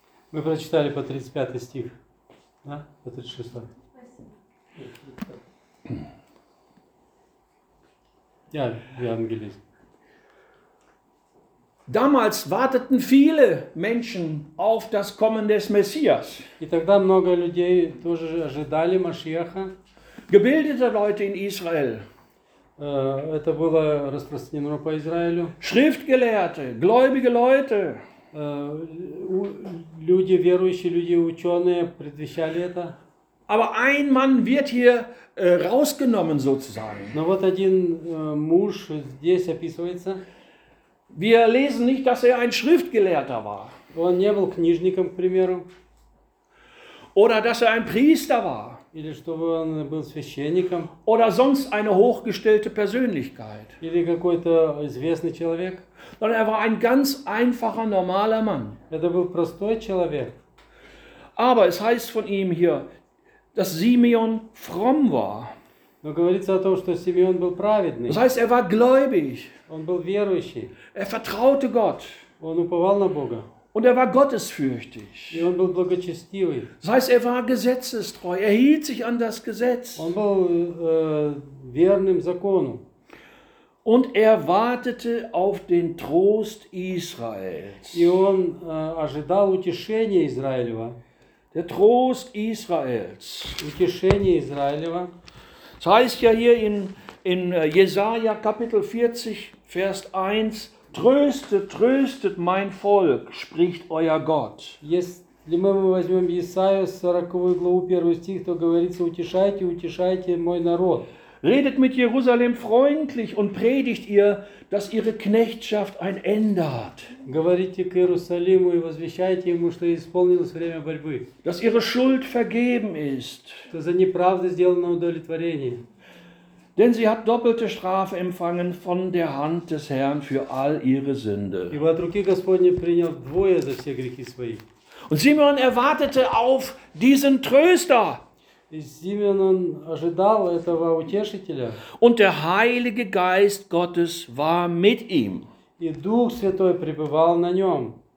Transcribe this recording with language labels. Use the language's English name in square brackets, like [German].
[German] Wir haben 35. Stich. Ja? 36. Ja, wir haben gelesen. Damals warteten viele Menschen auf das Kommen des Messias. [Russian] И тогда много людей тоже ожидали Машиаха. [German] Gebildete Leute in Israel. [Russian] Это было распространено по Израилю. [German] Schriftgelehrte, gläubige Leute. [Russian] Люди верующие, люди ученые предвещали это. [German] Aber ein Mann wird hier rausgenommen sozusagen. [Russian] Но вот один муж здесь описывается. [German] Wir lesen nicht, dass er ein Schriftgelehrter war. [Russian] Он не был книжником, к примеру. [German] Oder dass er ein Priester war. [Russian] Или чтобы он был священником. [German] Oder sonst eine hochgestellte Persönlichkeit. [Russian] Или какой-то известный человек. [German] Sondern er war ein ganz einfacher, normaler Mann. [Russian] Это был простой человек. [German] Aber es heißt von ihm hier, dass Simeon fromm war. [Russian] Но говорится о том, что Симеон был праведный. [German] Das heißt, er war gläubig. [Russian] Он был верующий. [German] Er vertraute Gott. [Russian] Он уповал на Бога. [German] Und er war gottesfürchtig. [Russian] И он был благочестивый. [German] Das heißt, er war gesetzestreu. Er hielt sich an das Gesetz. [Russian] Он был верным закону. [German] Und er wartete auf den Trost Israels. [Russian] И он ожидал утешения Израилева. [German] Der Trost Israels. [Russian] Утешение Израилева. [German] Das heißt ja hier in Jesaja Kapitel 40, Vers 1, tröstet, tröstet mein Volk, spricht euer Gott. [Russian] Если мы возьмем Исаию 40 главу 1 стих, то говорится, утешайте, утешайте мой народ. [German] Redet mit Jerusalem freundlich und predigt ihr, dass ihre Knechtschaft ein Ende hat. [Russian] Говорите к Иерусалиму и возвещайте ему, что исполнилось время борьбы. [German] Dass ihre Schuld vergeben ist. [Russian] Что за неправды сделано удовлетворение. [German] Denn sie hat doppelte Strafe empfangen von der Hand des Herrn für all ihre Sünde. [Russian] Ибо от руки Господней принял вдвое за все грехи свои. [German] Und Simeon erwartete auf diesen Tröster. [Russian] И Симеон он ожидал этого утешителя. [German] Und der Heilige Geist Gottes war mit ihm. [Russian] И Дух Святой пребывал на нем.